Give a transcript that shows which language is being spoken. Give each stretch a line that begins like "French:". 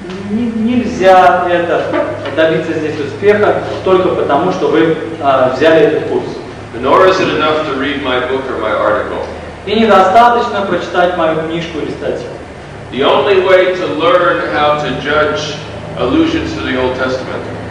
Russian: Нельзя это добиться здесь успеха только потому, что вы взяли этот курс.
English: Nor is it enough to read my book or my article.
Russian: И недостаточно прочитать мою книжку или статью.
English: The only way to learn how to judge allusions to the Old Testament.